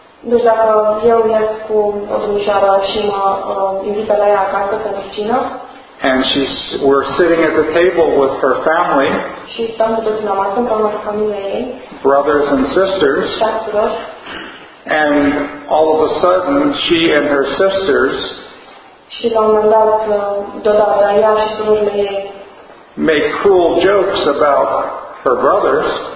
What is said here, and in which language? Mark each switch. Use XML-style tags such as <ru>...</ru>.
<ro>Deci dacă eu ies cu o domnișoară și mă invită la ea acasă pentru cină.</ro> <en>And we're sitting at the table with her family.</en> <ro>Și stăm cu toți la masă împreună cu familia ei.</ro> <en>Brothers and sisters.</en> <ro>Fraților.</ro> <en>And all of a sudden she and her sisters.</en> <ro>Și la un moment dat, deodată ea și surorile ei</ro> <en>make cruel jokes about her brothers.</en>